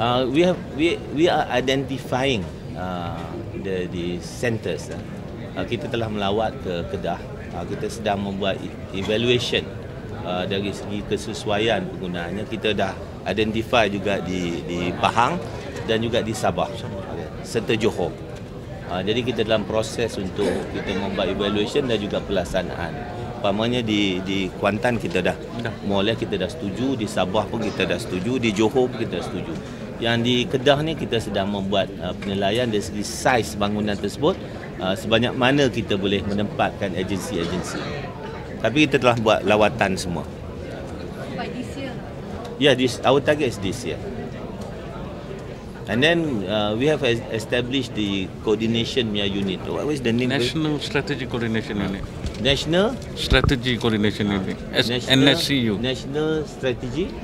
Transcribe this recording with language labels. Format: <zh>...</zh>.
<en>we are identifying the centers.</en> <ms>Kita telah melawat ke Kedah. Kita sedang membuat evaluation dari segi kesesuaian penggunaannya. Kita dah identify juga di Pahang dan juga di Sabah serta Johor. Jadi kita dalam proses untuk kita membuat evaluation dan juga pelaksanaan. Pertamanya di Kuantan kita dah mulai, kita dah setuju. Di Sabah pun kita dah setuju. Di Johor pun kita dah setuju. Yang di Kedah ni kita sedang membuat penilaian dari segi saiz bangunan tersebut, sebanyak mana kita boleh menempatkan agensi-agensi. Tapi kita telah buat lawatan semua.</ms> <en>By this year? Yeah, this, our target is this year. And then we have established the coordination MIA unit. What was the name? National Strategy Coordination Unit. National Strategy Coordination Unit. NSCU. National Strategy</en>